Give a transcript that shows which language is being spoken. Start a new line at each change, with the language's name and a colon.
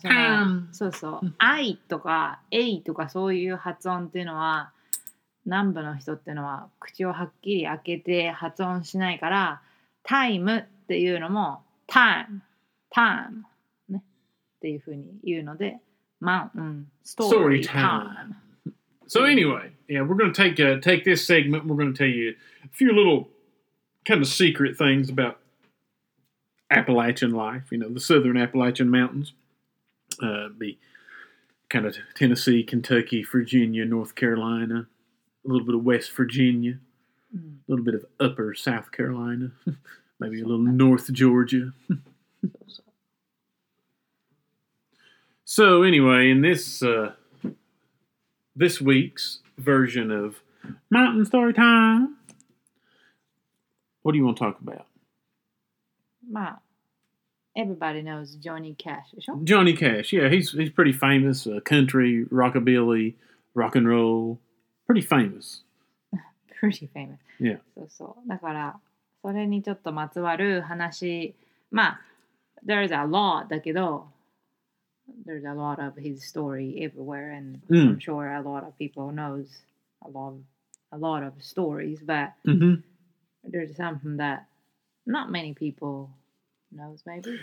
Japanese: そのそうそう、I とか A とかそういう発音っていうのは南部の人っていうのは口をはっきり開けて発音しないから、タイムっていうのもタイム、タイム、ね、っていうふうに言うので、マウンテン、ストーリータイム。
English: So anyway, yeah, we're going to take this segment. We're going to tell you a few little kind of secret things about Appalachian life, you know, the southern Appalachian mountains, the kind of Tennessee, Kentucky, Virginia, North Carolina, a little bit of West Virginia, a little bit of upper South Carolina, maybe a little North Georgia. So anyway, in this... this week's version of Mountain Story Time. What do you want to talk about? Well, everybody knows Johnny Cash, right? Johnny Cash, yeah. He's pretty famous. Country, rockabilly, rock and roll. Pretty famous. Pretty famous. Yeah. So, so.
Japanese: だから、それにちょっとまつわる話。
English: まあ、there's a lot
Japanese: だけど、
English: there's a lot of his story everywhere, and I'm sure a lot of people knows a lot of stories, but there's something that not many people knows, maybe.